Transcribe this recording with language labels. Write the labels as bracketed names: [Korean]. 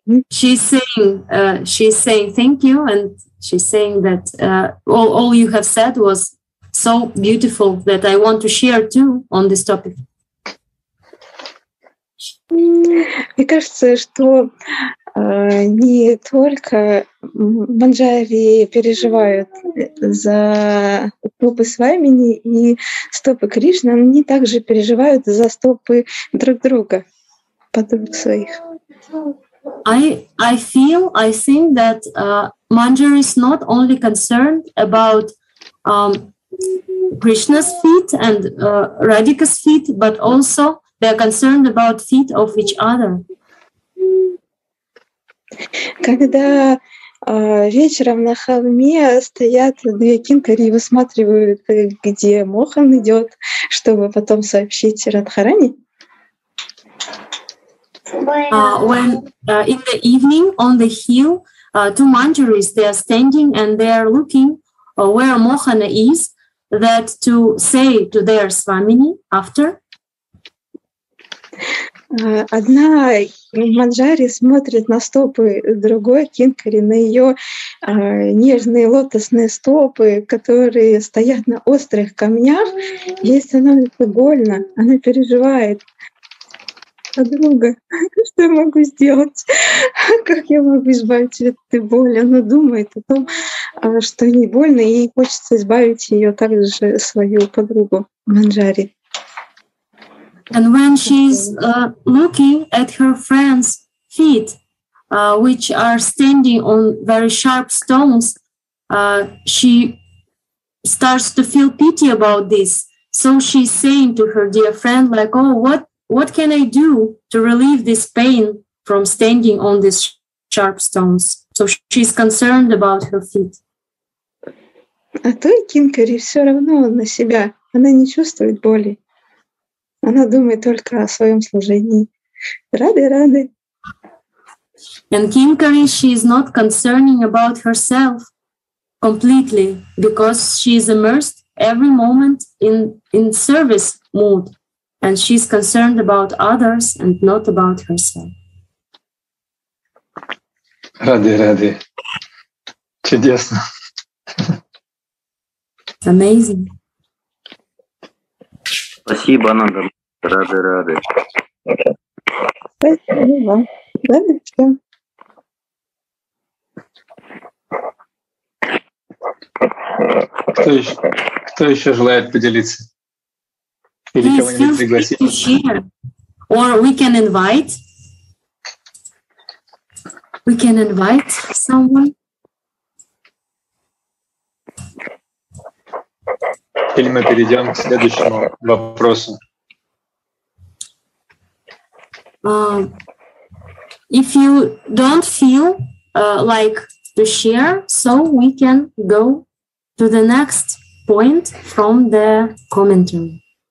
[English] She's saying thank you, and she's saying that all you have said was so beautiful that I want to share too on this topic. [Russian] Мне кажется, что не только Манджари переживают за стопы Свамини и стопы Кришны, они также переживают за стопы друг друга, подруг своих. [English] I think that Manjari is not only concerned about Krishna's feet and Radhika's feet, but also they are concerned about feet of each other. [Russian] Когда вечером на холме стоят две кинкари и высматривают, где Мохан идет, чтобы потом сообщить Радхарани. [English] When in the evening on the hill, two manjaris, they are standing and they are looking where Mohana is, that to say to their Swamini after. [Russian] Одна манджари смотрит на стопы другой кинкари, на ее нежные лотосные стопы, которые стоят на острых камнях, ей становится больно, она переживает. Подруга, что я могу сделать? Как я могу избавить ее от этой боли? Она думает о том, что ей больно, и ей хочется избавить ее также, свою подругу манджари. [English] And when she's looking at her friend's feet, which are standing on very sharp stones, she starts to feel pity about this. So she's saying to her dear friend, like, oh, what What can I do to relieve this pain from standing on these sharp stones? So she's concerned about her feet. [Russian] А той Кинкари все равно на себя. Она не чувствует боли. Она думает только о своем служении. Рады, рады. [English] And Kinkari, she is not concerning about herself completely because she is immersed every moment in service mood. And she is concerned about others and not about herself. [Russian] Рады, рады. Чудесно. [English] Amazing. [Russian] Спасибо, Ананда. Рады, рады. Спасибо. Рады, что... Кто еще желает поделиться? Или [English] please [Russian] кого-нибудь пригласить? [English] Please feel free to share. Or we can invite. We can invite someone. [Russian] Или мы перейдем к следующему вопросу. [English] If you don't feel like to share, so we can go to the next point from the commentary.